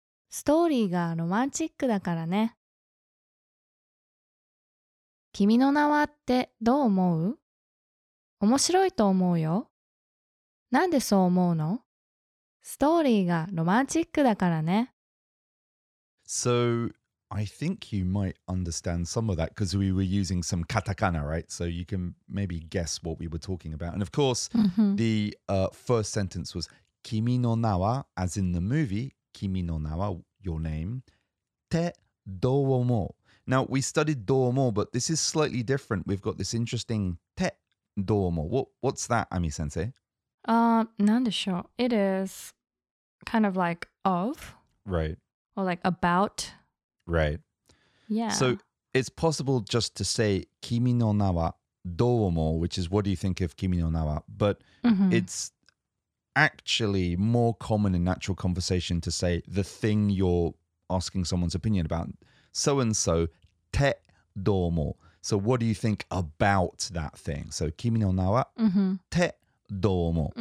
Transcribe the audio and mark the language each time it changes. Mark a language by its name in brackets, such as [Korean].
[Japanese] ストーリーがロマンチックだからね。君の名はってどう思う？面白いと思うよ。なんでそう思うの?ストーリーがロマンチックだからね。 [English] So, I think you might understand some of that because we were using some katakana, right? So you can maybe guess what we were talking about. And of course, the first sentence was 君の名は, as in the movie, 君の名は, your name, [Japanese] てどう思う? [English] Now, we studied [Japanese] どう思う, [English] but this is slightly different. We've got this interesting [Japanese] てどう思う. [English] What's that, Ami-sensei? [Japanese] なんでしょう? [English] It is kind of like of. Right. Or like about. Right. Yeah. So it's possible just to say, [Japanese] 君の名はどう思う? [English] Which is, what do you think of 君の名は? But it's actually more common in natural conversation to say the thing you're asking someone's opinion about. So and so, [Japanese] てどう思う? [English] So what do you think about that thing? So [Japanese] 君の名はてどう思う?